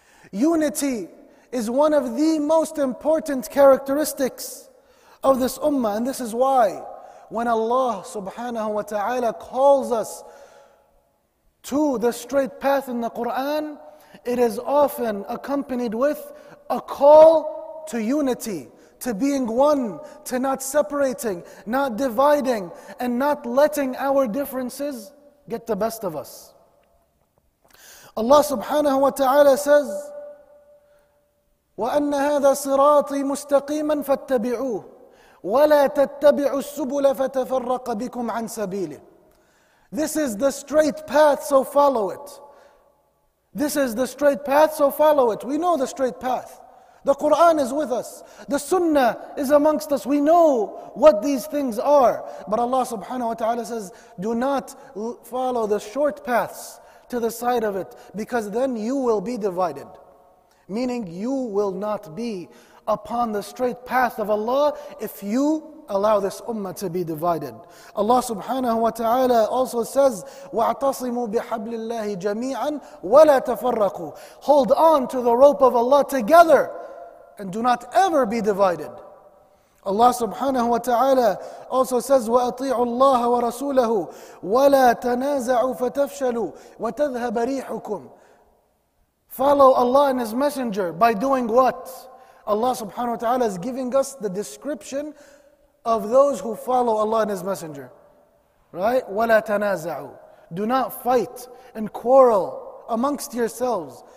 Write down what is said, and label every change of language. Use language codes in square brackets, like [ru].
[en] Unity is one of the most important characteristics of this ummah, and this is why when Allah subhanahu wa ta'ala calls us to the straight path in the Quran, it is often accompanied with a call to unity, to being one, to not separating, not dividing, and not letting our differences get the best of us. Allah subhanahu wa ta'ala says, [ar] وَأَنَّ هَذَا صِرَاطِي مُسْتَقِيمًا فَاتَّبِعُوهُ وَلَا تَتَّبِعُوا السُّبُلَ فَتَفَرَّقَ بِكُمْ عَنْ سَبِيلِهِ. [en] This is the straight path, so follow it. This is the straight path, so follow it. We know the straight path. The Quran is with us. The Sunnah is amongst us. We know what these things are. But Allah subhanahu wa ta'ala says, do not follow the short paths to the side of it, because then you will be divided. Meaning you will not be upon the straight path of Allah if you allow this ummah to be divided. Allah subhanahu wa ta'ala also says, [ar] وَاعْتَصِمُوا بِحَبْلِ اللَّهِ جَمِيعًا وَلَا تَفَرَّقُوا. [en] Hold on to the rope of Allah together and do not ever be divided. Allah subhanahu wa ta'ala also says, [ar] وَأَطِيعُوا اللَّهَ وَرَسُولَهُ وَلَا تَنَازَعُوا فَتَفْشَلُوا وَتَذْهَبَ رِيحُكُمْ. [en] Follow Allah and His Messenger by doing what? Allah subhanahu wa ta'ala is giving us the description of those who follow Allah and His Messenger. Right? [ar] وَلَا تَنَازَعُوا. [en] Do not fight and quarrel amongst yourselves.